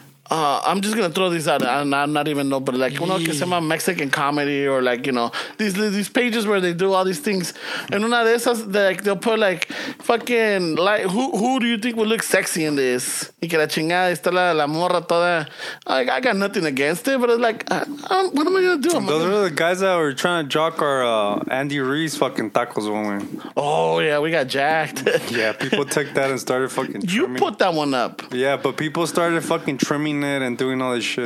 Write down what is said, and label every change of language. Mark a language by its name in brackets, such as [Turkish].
[English] I'm just gonna throw these out. I'm not even know, but like, you know, [Spanish] que se llama [English] Mexican comedy or like, you know, these pages where they do all these things. And [Spanish] una de esas, [English] like, they'll put like, fucking, like, who do you think would look sexy in this? [Spanish] Y que la chingada está la morra toda. [English] Like, I got nothing against it, but it's like, what am I gonna do? Those are the guys that were trying to jock our Andy Ruiz fucking tacos woman. Oh yeah, we got jacked. Yeah, people took that and started fucking trimming. You put that one up. Yeah, but people started fucking trimming it and doing all this shit.